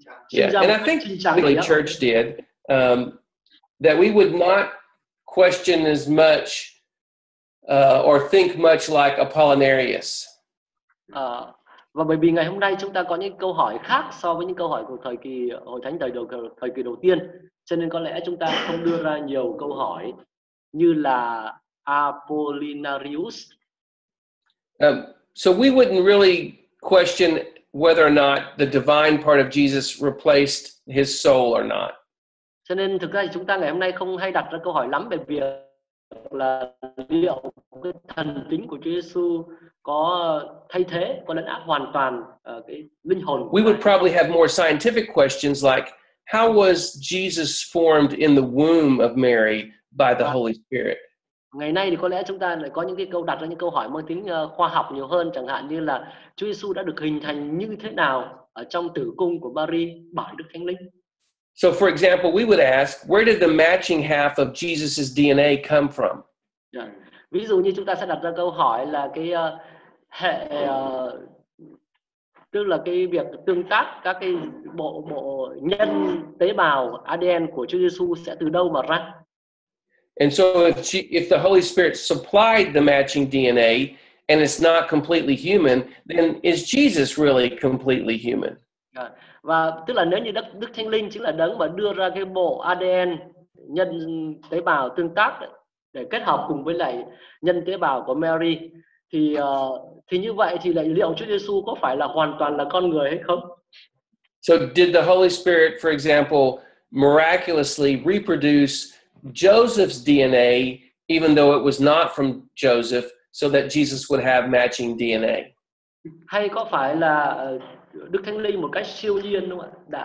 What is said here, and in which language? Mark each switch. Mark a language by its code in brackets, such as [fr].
[en] Yeah. And I think the church did that we would not question as much or think much like Apollinarius. [vi] Và bởi vì ngày hôm nay chúng ta có những câu hỏi khác so với những câu hỏi của thời kỳ Hội Thánh thời kỳ đầu tiên. Cho nên có lẽ chúng ta không đưa ra nhiều câu hỏi như là Apollinarius. [en] So we wouldn't really question whether or not the divine part of Jesus replaced his soul or not. [vi] Cho nên thực ra thì chúng ta ngày hôm nay không hay đặt ra câu hỏi lắm về việc là liệu cái thần tính của Chúa Giêsu có thay thế, có lấn át hoàn toàn cái linh hồn. [en] We would probably have more scientific questions like, how was Jesus formed in the womb of Mary by the Holy Spirit? [vi] Ngày nay thì có lẽ chúng ta lại có những cái câu đặt ra những câu hỏi mang tính khoa học nhiều hơn, chẳng hạn như là Chúa Giêsu đã được hình thành như thế nào ở trong tử cung của Maria bởi Đức Thánh Linh. [en] So for example, we would ask, where did the matching half of Jesus's DNA come from? Yeah. [vi] Ví dụ như chúng ta sẽ đặt ra câu hỏi là cái hệ tức là cái việc tương tác các cái bộ nhân tế bào ADN của Chúa Giêsu sẽ từ đâu mà ra? [en] And so if the Holy Spirit supplied the matching DNA and it's not completely human, then is Jesus really completely human? [vi] Và tức là nếu như Đức Thánh Linh chính là đấng mà đưa ra cái bộ ADN nhân tế bào tương tác để kết hợp cùng với lại nhân tế bào của Mary thì như vậy thì lại liệu Chúa Giêsu có phải là hoàn toàn là con người hay không? [en] So did the Holy Spirit, for example, miraculously reproduce Joseph's DNA, even though it was not from Joseph, so that Jesus would have matching DNA? [vi] Hay có phải là Đức Thánh Linh một cách siêu nhiên đúng không ạ?